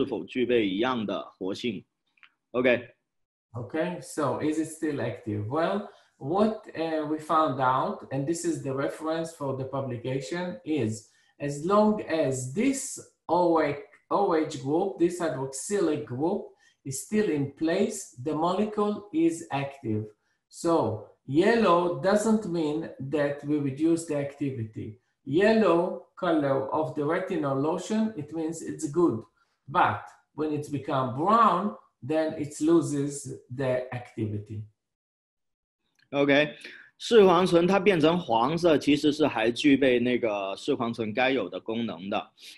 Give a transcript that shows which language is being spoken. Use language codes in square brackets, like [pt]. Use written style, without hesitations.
[zh] 大家看到这个视黄醇的那个结构，它那个结构是比较容易会氧化掉的。然后，这个视黄醇它会比较容自由态的视黄醇，它是非常容易的变成黄色。但其实它如果氧化掉的话，其实远不止黄色，它是甚至直接变成棕褐色的一个颜色。然后接下来会说到它变色了之后是否具备一样的活性。 [en] Okay. So is it still active? Well, what we found out, and this is the reference for the publication, is as long as this OH group, this hydroxylic group, is still in place, the molecule is active. So yellow doesn't mean that we reduce the activity. Yellow color of the retinol lotion, it means it's good. But when it becomes brown, then it loses the activity. Okay. [zh] 视黄醇它变成黄色, 其实是还具备那个视黄醇该有的功能的。